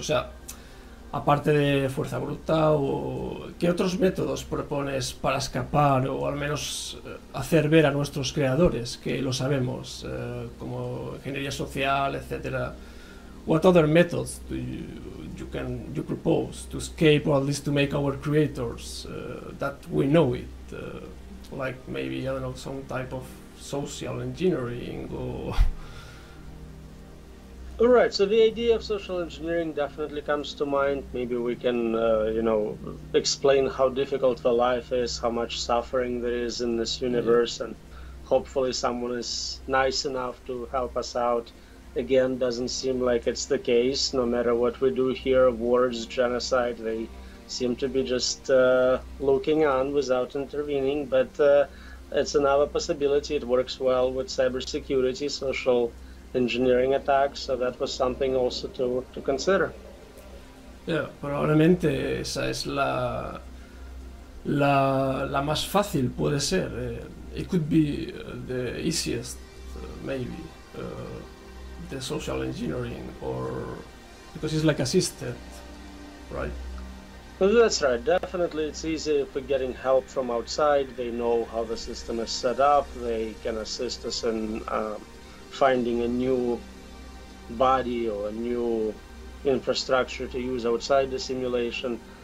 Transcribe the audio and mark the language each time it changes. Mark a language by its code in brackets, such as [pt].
[es] O sea, aparte de fuerza bruta, o ¿qué otros métodos propones para escapar o al menos hacer ver a nuestros creadores que lo sabemos, como ingeniería social, etcétera? [en] What other methods do you propose to escape, or at least to make our creators that we know it, like maybe I don't know, some type of social engineering or... All right, so the idea of social engineering definitely comes to mind. Maybe we can explain how difficult the life is, how much suffering there is in this universe, and hopefully someone is nice enough to help us out. Again, doesn't seem like it's the case. No matter what we do here, wars, genocide, they seem to be just looking on without intervening. But it's another possibility. It works well with cybersecurity, social engineering attacks. So that was something also to consider. [es] Yeah, probablemente esa es la más fácil, puede ser. [en] It could be the easiest, maybe. The social engineering, or because it's like assisted, right? Well, that's right. Definitely, it's easier if we're getting help from outside. They know how the system is set up. They can assist us in finding a new body or a new infrastructure to use outside the simulation.